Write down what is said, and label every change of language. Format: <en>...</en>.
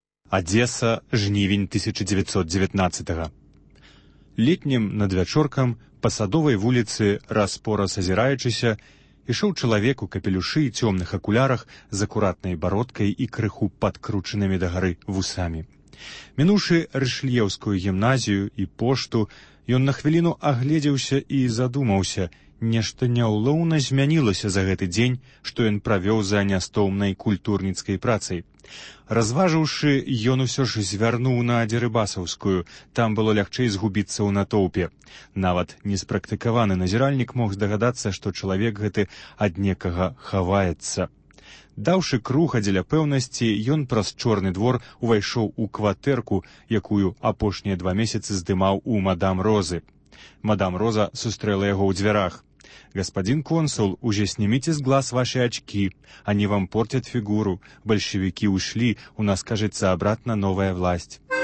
<uk>Одеса, жнівень 1919-го. Летнім надвячоркам по садовой вулиці, раз-пораз озираючися, ішов чоловік у капелюші і темних окулярах з акуратною бородкою і крыху подкрученими до гори вусами. Минувши Рышельєвскую гімназію і пошту, ён на хвилину оглядівся і задумався,</uk> <be>нешта няўлоўна змянілося за гэты дзень, што ён правёў за нястомнай культурніцкай працай. Разважыўшы, ён усё ж звярнуў на Дзерыбасаўскую, там было лягчэй згубіцца ў натоўпе. Нават неспрактыкаваны назіральнік мог здагадацца, што чалавек гэты ад некага хаваецца. Даўшы круга дзеля пэўнасці, ён праз чорны двор увайшоў у кватэрку, якую апошнія два месяцы здымаў у мадам Розы. Мадам Роза сустрела яго ў дзвярах.</be> <ru>«Господин консул, уже снимите с глаз ваши очки. Они вам портят фигуру. Большевики ушли, у нас, кажется, обратно новая власть».</ru>